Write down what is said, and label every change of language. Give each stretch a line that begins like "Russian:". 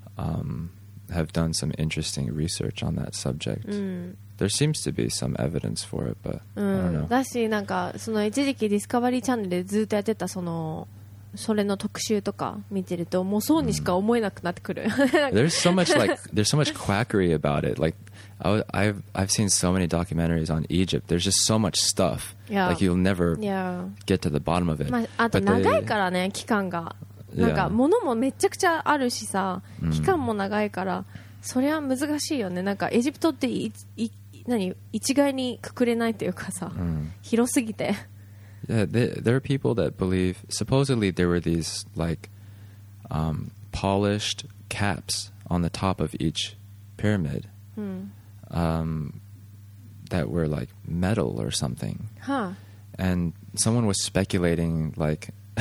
English: have done some interesting research on that subject. There seems to be some evidence for it, but I don't know.
Japanese: だし、なんかその一時期ディスカバリーチャンネルでずっとやってたそのそれの特集とか見てると、もうそうにしか思えなくなってくる。
English: there's so much quackery about it, like. I've seen so many documentaries on Egypt. There's just so much stuff. Yeah. Like you'll never get to the bottom of it.
Japanese: まあ、あと長いからね、期間が。なんか物もめちゃくちゃあるしさ、期間も長いから、それは難しいよね。なんかエジプトって何一概にくくれないというかさ、広すぎて。
English: Yeah, there are people that believe supposedly there were these like polished caps on the top of each pyramid. That were like metal or something. Huh. And someone was speculating like